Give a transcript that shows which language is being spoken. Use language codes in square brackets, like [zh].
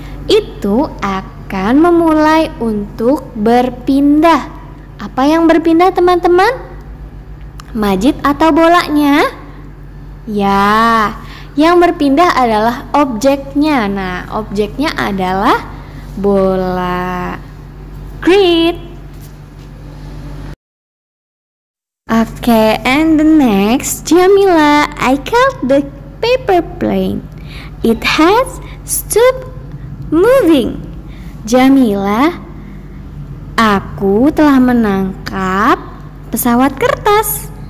[id] Itu akan memulai untuk berpindah. Apa yang berpindah, teman-teman? Majid atau bolanya? Ya, yang berpindah adalah objeknya. Nah, objeknya adalah bola. [en] Great. Okay, and the next, Jamila, I caught the paper plane. It has stopped moving. [id] Jamilah, aku telah menangkap pesawat kertas.